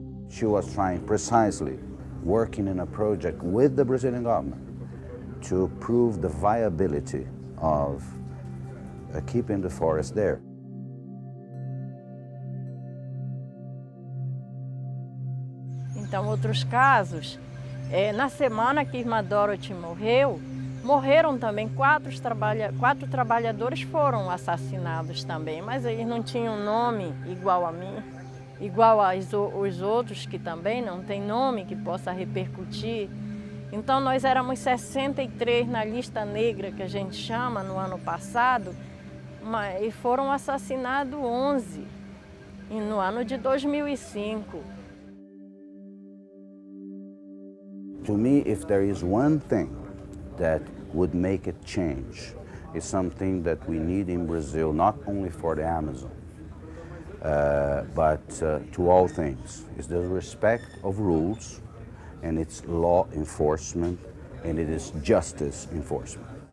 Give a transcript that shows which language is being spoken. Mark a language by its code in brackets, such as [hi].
[en] She was trying precisely, working in a project with the Brazilian government, to prove the viability of keeping the forest there. [pt] Então, outros casos, na semana que Irmã Dorothy morreu, morreram também quatro trabalhadores foram assassinados também, mas eles não tinham nome igual a mim, igual aos outros que também não têm nome que possa repercutir. Então, nós éramos 63 na lista negra, que a gente chama, no ano passado, mas, e foram assassinados 11 e no ano de 2005. [en] To me, if there is one thing that would make a change, it's something that we need in Brazil, not only for the Amazon, but to all things, is the respect of rules, and it's law enforcement, and it is justice enforcement.